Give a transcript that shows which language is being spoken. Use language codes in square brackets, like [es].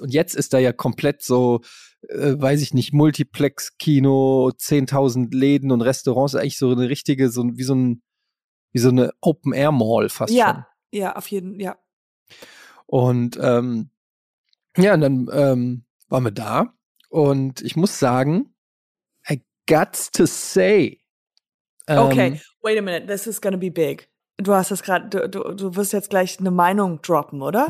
[de] Und jetzt ist da ja komplett so, weiß ich nicht, Multiplex-Kino, 10.000 Läden und Restaurants, eigentlich so eine richtige, so wie so eine Open-Air-Mall fast ja, schon. Ja, auf jeden, ja. Und und dann waren wir da und ich muss sagen, [en] I got to say. Okay, wait a minute, this is gonna be big. [de] Du hast das gerade, du wirst jetzt gleich eine Meinung droppen, oder?